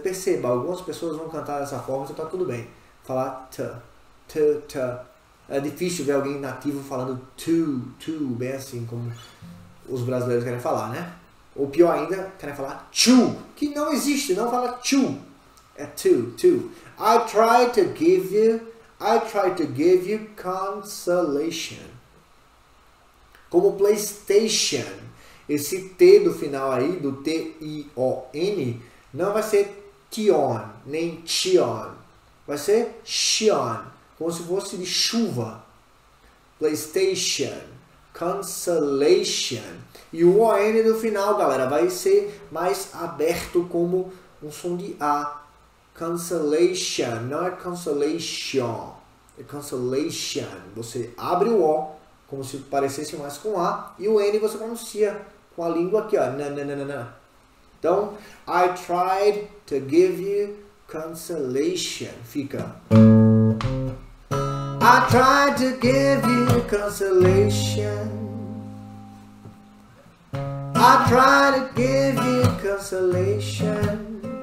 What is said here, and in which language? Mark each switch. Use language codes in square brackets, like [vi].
[pt] Perceba, algumas pessoas vão cantar dessa forma, então tá tudo bem. Falar t. É difícil ver alguém nativo falando to, bem assim como os brasileiros querem falar, né? Ou pior ainda, querem falar to, que não existe, não fala to. É to. [en] I tried to give you consolation. [pt] Como PlayStation. Esse T do final aí, do T-I-O-N, não vai ser Tion, nem Tion. Vai ser Xion, como se fosse de chuva. PlayStation, Consolation. E o O-N do final, galera, vai ser mais aberto como um som de A. Consolation, não é Consolation. É Consolation. Você abre o O, como se parecesse mais com A, e o N você pronuncia com a língua aqui, ó. Na. [en] Então, I tried to give you consolation. Fica. I tried to give you consolation. I tried to give you consolation.